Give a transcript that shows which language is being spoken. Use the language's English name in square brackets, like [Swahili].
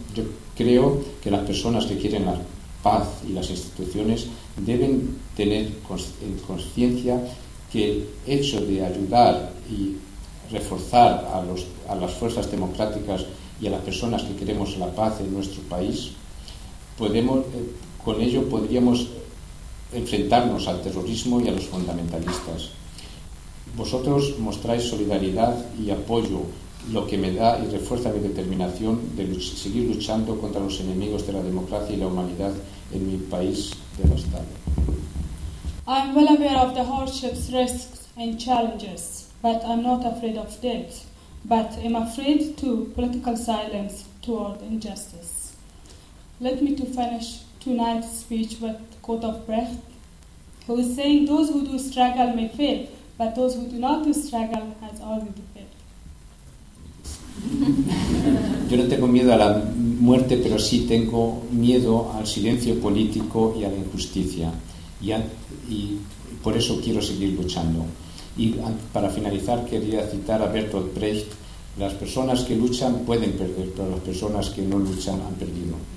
[Spanish] Yo creo que las personas que quieren la paz y las instituciones deben tener en conciencia que el hecho de ayudar y reforzar a las fuerzas democráticas y a las personas que queremos la paz en nuestro país, podríamos enfrentarnos al terrorismo y a los fundamentalistas. Vosotros mostráis solidaridad y apoyo, lo que me da y refuerza mi determinación de seguir luchando contra los enemigos de la democracia y la humanidad en mi país devastado. [English] I am well aware of the hardships, risks and challenges, but I'm not afraid of death, but I'm afraid to political silence toward injustice. Let me to finish tonight's speech with a quote of Brecht, who is saying, those who do struggle may fail, but those who do not do struggle has already failed. [Spanish] Yo no tengo miedo a la muerte, pero sí tengo miedo al silencio político y a la injusticia. Y por eso quiero seguir luchando. Y para finalizar, quería citar a Bertolt Brecht: las personas que luchan pueden perder, pero las personas que no luchan han perdido.